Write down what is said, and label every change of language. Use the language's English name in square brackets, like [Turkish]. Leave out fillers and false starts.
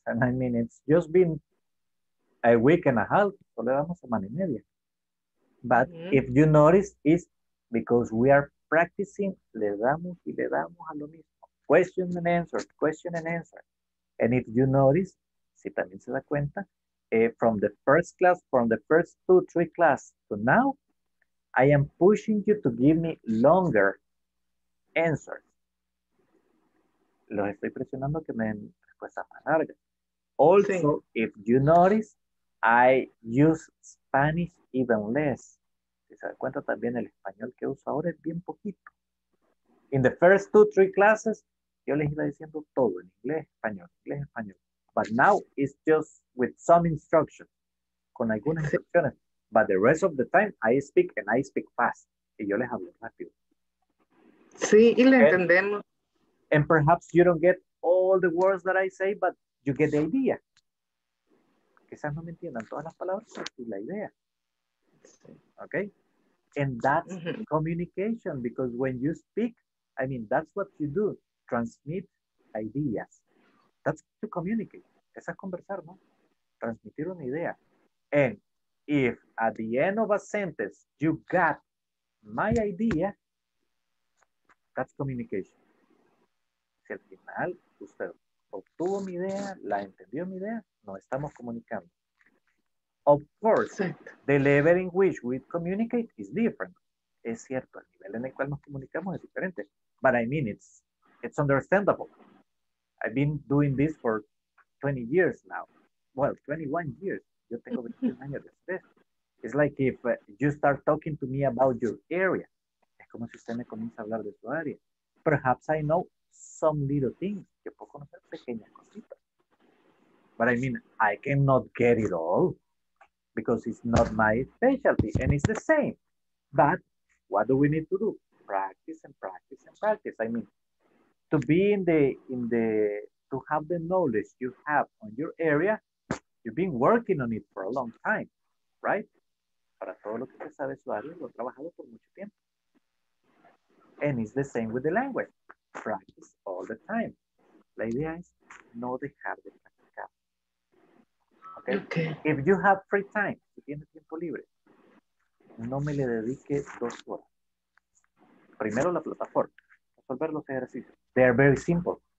[English] And I mean, it's just been a week and a half. [Spanish] Solo damos semana y media. [English] But if you notice, it's because we are practicing. [Spanish] Le damos y le damos a lo mismo. [English] Question and answer, question and answer. And if you notice, [Spanish] si también se da cuenta, [English] from the first class, from the first two, three class to now, I am pushing you to give me longer answers. [Spanish] Los estoy presionando que me den respuestas más largas. Also, sí. [English] If you notice, I use Spanish even less. [Spanish] Si se da cuenta también, el español que uso ahora es bien poquito. [English] In the first two, three classes, [Spanish] yo les iba diciendo todo en inglés, español, inglés, español. [English] But now it's just with some instructions, [Spanish] con algunas instrucciones. [English] But the rest of the time, I speak and I speak fast. [Spanish] Y yo les hablo rápido. Sí, y le entendemos. [English] And perhaps you don't get all the words that I say, but you get the idea. [Spanish] Quizás no me entiendan todas las palabras, pero sí la idea. Okay? [English] And that's communication, because when you speak, I mean, that's what you do. Transmit ideas. That's to communicate. [Spanish] Es a conversar, ¿no? Transmitir una idea. [English] And if at the end of a sentence you got my idea, that's communication. [Spanish] Al final usted obtuvo mi idea, la entendió mi idea, nos estamos comunicando. [English] Of course, the level in which we communicate is different. [Spanish] Es cierto, el nivel en el cual nos comunicamos es diferente. [English] But I mean, it's understandable. I've been doing this for 20 years now. Well, 21 years. [Spanish] Yo tengo 21 años de estrés. [English] It's like if you start talking to me about your area. [Spanish] Es como si usted me comienza a hablar de su área. [English] Perhaps I know some little things, [Spanish] que puedo conocer pequeñas cositas. [English] But I mean, I cannot get it all because it's not my specialty, and it's the same. But what do we need to do? Practice and practice and practice. I mean, to be to have the knowledge you have on your area, you've been working on it for a long time, right? [Spanish] Para todo lo que te sabe su área, lo he trabajado por mucho tiempo. [English] And it's the same with the language. Practice all the time. [Spanish] La idea es no dejar de practicar. Okay? Okay. If you have free time, si tienes tiempo libre, no me le dedique 2 horas. Primero la plataforma. Resolver los ejercicios. [English] They are very simple.